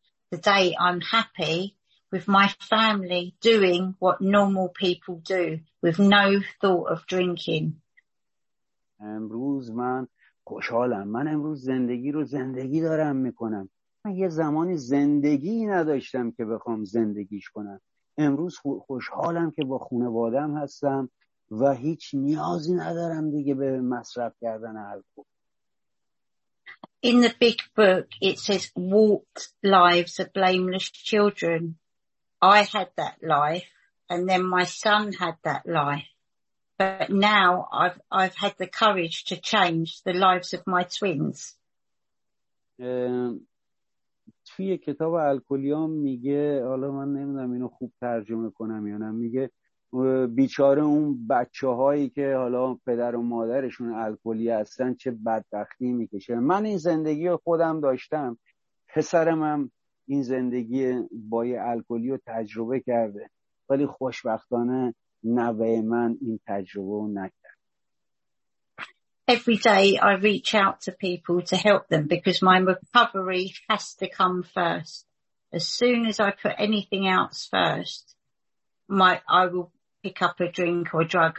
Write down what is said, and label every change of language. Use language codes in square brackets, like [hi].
[en] Today I'm happy with my family doing what normal people do with no thought of drinking. [fa] امروز من خوشحالم، من امروز زندگی رو زندگی دارم میکنم. من یه زمانی زندگی نداشتم که بخوام زندگیش کنم. امروز خوشحالم که با خانواده‌ام هستم و هیچ نیازی ندارم دیگه به مصرف کردن الکل. [en] In the big book it says warped lives of blameless children. I had that life and then my son had that life. But now I've had the courage to change the lives of my twins. [fa] توی کتاب الکلیان میگه، حالا من نمیدونم اینو خوب ترجمه کنم یا نه، میگه بیچاره اون بچه هایی که حالا پدر و مادرشون الکلی هستن چه بدبختی میکشه. من این زندگی خودم داشتم، پسرم هم این زندگی با یه الکلی رو تجربه کرده، ولی خوشبختانه نوه من این تجربه رو نکرد. [en] Every day I reach out to people to help them because my recovery has to come first. As soon as I put anything else first, I will pick up a drink or drug.